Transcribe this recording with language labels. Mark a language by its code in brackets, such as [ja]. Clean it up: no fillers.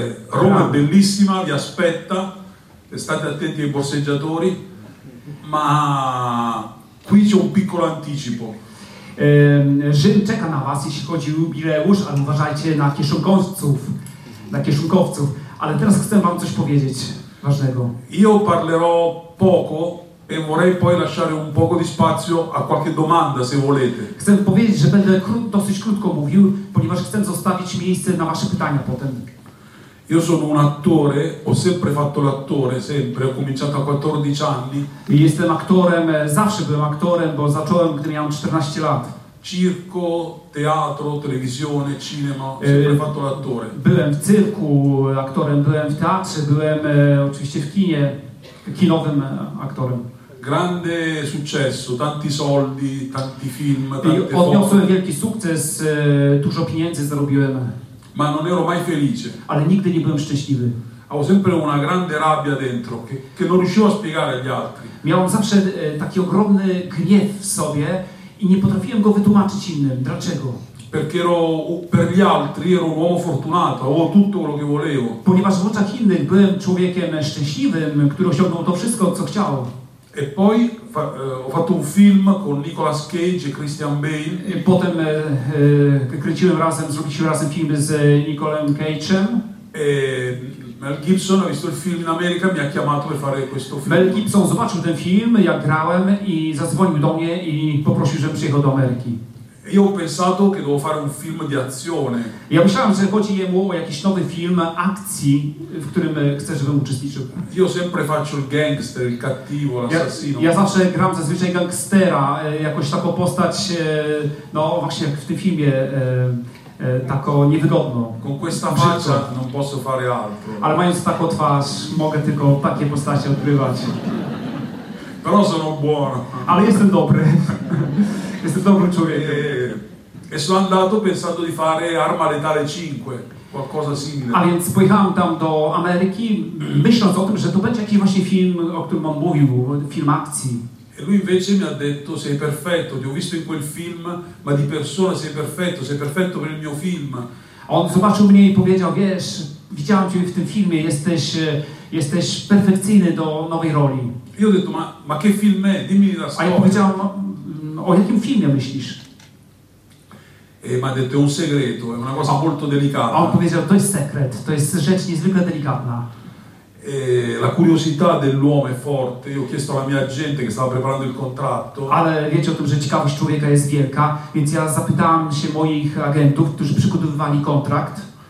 [it] Roma è bellissima, vi aspetta, state attenti ai borseggiatori, ma qui c'è un piccolo anticipo. [pl] Rzym czeka na was, jeśli chodzi o jubileusz, ale uważajcie na kieszonkowców, ale teraz chcę wam coś powiedzieć ważnego. [it] Io parlerò poco e vorrei poi lasciare un poco di spazio a qualche domanda, se volete. [pl] Chcę powiedzieć, że będę dosyć krótko mówił, ponieważ chcę zostawić miejsce na wasze pytania potem. [it] Io sono un attore, ho sempre fatto l'attore, sempre, ho cominciato a 14 anni. [pl] Jestem aktorem, zawsze byłem aktorem, bo zacząłem, gdy miałem 14 lat. [it] Circo, teatro, telewizione, cinema, sempre fatto l'attore. [pl] Byłem w cyrku aktorem, byłem w teatrze, byłem oczywiście w kinie, kinowym aktorem. [it] Grande successo, tanti soldi, tanti film, tante foto. [pl] Odniosłem wielki sukces, dużo pieniędzy zarobiłem. [it] Ma non ero mai felice. [pl] Ale nigdy nie byłem szczęśliwy. [it] Avevo sempre una grande rabbia dentro, che non riuscivo a spiegare agli altri. [pl] Miałem zawsze taki ogromny gniew w sobie i nie potrafiłem go wytłumaczyć innym. Dlaczego? [it] Perché ero per gli altri ero un uomo fortunato, avevo tutto quello che volevo. [pl] Ponieważ w oczach innych byłem człowiekiem szczęśliwym, który osiągnął to wszystko, co chciał. [it] E poi ho fatto un film con Nicolas Cage e Christian Bale. [pl] E potem zrobiliśmy razem film z Nicolas Cage'em. [it] E Mel Gibson ha visto il film in America, mi ha chiamato per fare questo film. [pl] Mel Gibson zobaczył ten film, jak grałem, i zadzwonił do mnie i poprosił, żebym przyjechał do Ameryki. [it] Io ho pensato che dovevo fare un film di azione. [pl] Ja myślałem, że chodzi jemu o jakiś nowy film akcji, w którym chcę, żebym uczestniczył. [it] Io sempre faccio il gangster, il cattivo, l'assassino. [pl] Ja zawsze gram zazwyczaj gangstera, jakoś taką postać, no właśnie w tym filmie, taką niewygodną. [it] Con questa faccia non posso fare altro. [pl] Ale mając taką twarz, mogę tylko takie postacie odgrywać. [it] Però sono buono. [pl] Ale jestem dobry. Jestem dobrym człowiekiem. [it] E sono andato pensando di fare Arma Letale 5, qualcosa simile. [pl] A więc pojechałem tam do Ameryki, myśląc o tym, że to będzie jakiś właśnie film, o którym on mówił, film akcji. [it] E lui invece mi ha detto, sei perfetto, ti ho visto in quel film, ma di persona sei perfetto per il mio film. [pl] A on zobaczył mnie i powiedział, wiesz, widziałem cię w tym filmie, jesteś perfekcyjny do nowej roli. [it] Io ho detto, ma che film è? Dimmi la storia. [pl] A ja powiedziałem, o jakim filmie myślisz? [it] E mi ha detto, è un segreto, è una cosa molto delicata. [pl] A on powiedział, to jest sekret, to jest rzecz niezwykle delikatna. [it] E la curiosità dell'uomo è forte, io ho chiesto alla mia agente che stava preparando il contratto. [pl] Ale wiecie o tym, że ciekawość człowieka jest wielka, więc ja zapytałem się moich agentów, którzy przygotowywali kontrakt.